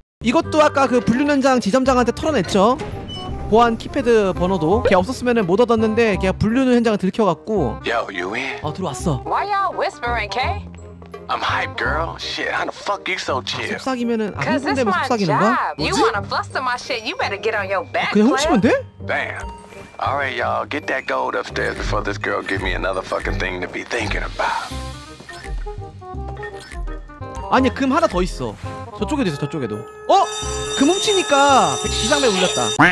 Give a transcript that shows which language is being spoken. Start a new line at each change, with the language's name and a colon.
Korean: 이것도 아까 그 불륜 현장 지점장한테 털어냈죠. 보안 키패드 번호도 걔 없었으면은 못 얻었는데 걔가 불륜 현장을 들켜갖고.
English: Yo, you in?
Korean: 들어왔어.
English: Why y'all whispering, K? I'm hype, girl. Shit, how the fuck you so chill?
Korean: 속삭이면은 안 흥분되면 속삭이는 거야? 뭐지?
English: You wanna fluster my shit? You better get on your back.
Korean: 그냥 훔치면 돼?
English: Bam. Alright, y'all, get that gold upstairs before this girl give me another fucking thing to be thinking about.
Korean: 아니, 금 하나 더 있어. 저쪽에도 있어, 저쪽에도. 어? 금 훔치니까 지상에 울렸다.